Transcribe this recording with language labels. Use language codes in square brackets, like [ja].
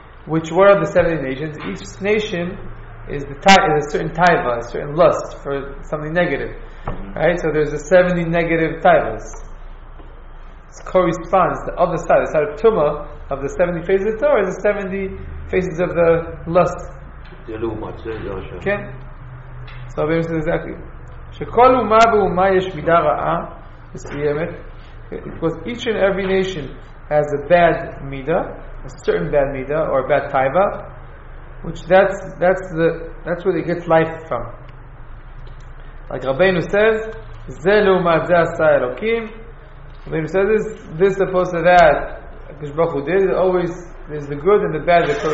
[en] Which, what are the 70 nations? Each nation is a certain taiva, a certain lust for something negative. Mm-hmm. Right? So there's the 70 negative taivas. It corresponds, the other side, the side of Tumah, of the 70 phases of the Torah, is the 70 phases of the lust. Okay? So Rabbi says exactly. [he] שכל אומה ואומה יש מידה רעה מסוימת. [en] Because each and every nation has a bad midah, a certain bad midah or a bad taiva, which that's where they get life from. Like Rabbeinu says, [he] זה לעומת זה עשה אלוקים. [en] Rabbeinu says this opposed to that, Hakadosh Baruch Hu did. Always there's the good and the bad.